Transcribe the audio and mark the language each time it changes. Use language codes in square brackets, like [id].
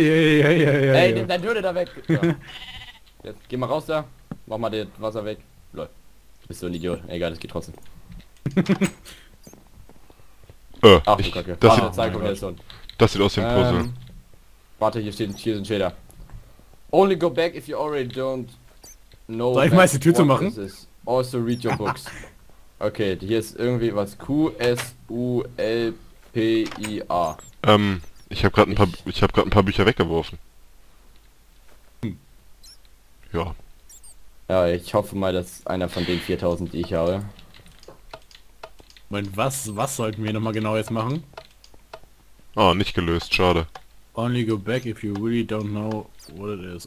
[de] Ey, nimm deine Hürde da weg. So. Jetzt geh mal raus da, mach mal das Wasser weg. Lol. Bist du ein Idiot. Egal, das geht trotzdem. Ach du Kacke. Warte, zeig mir das. Das sieht aus wie ein Puzzle. Warte, hier sind Schilder. [en] Only go back if you already don't know. [de] Soll ich mal die Tür zu machen? [en] Also read your books. [de] Okay, hier ist irgendwie was. Q-S-U-L-P-I-A. Ich hab grad ein paar Bücher weggeworfen. Ja. Ja, ich hoffe mal, dass einer von den 4000, die ich habe. Moment, was sollten wir nochmal genau jetzt machen? Oh, nicht gelöst, schade. [en] Only go back if you really don't know what it is.